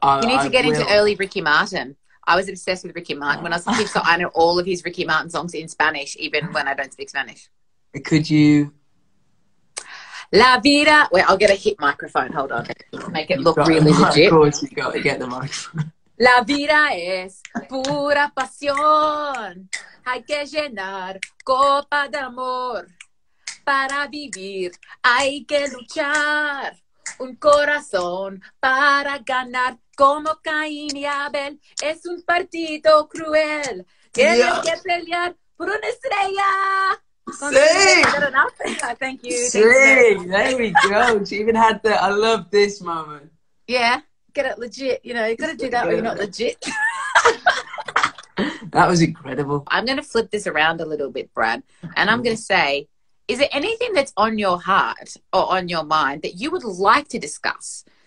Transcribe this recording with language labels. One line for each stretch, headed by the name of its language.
English: you need to get into early Ricky Martin. I was obsessed with Ricky Martin when I was a kid, so I know all of his Ricky Martin songs in Spanish, even when I don't speak Spanish. Could you?
Spanish: La vida.
English: Wait, I'll get a hit microphone. Hold on. Make it look really legit. Of course, you've got to get the microphone.
Spanish: La vida es pura pasión. Hay que llenar copa de amor. Para vivir hay que luchar. Un corazón para ganar. Como Caín y Abel es un partido cruel. Tienes que pelear por una estrella. Sí.
English: Thank you.
Spanish: Sí.
English: There we go. She even had the, I love this moment. Yeah. Get it legit, you know, you gotta do that when you're not legit. That was incredible. I'm gonna flip this around a little bit, Brad, and I'm gonna say, is there anything that's on your heart or on your mind that you would like to discuss?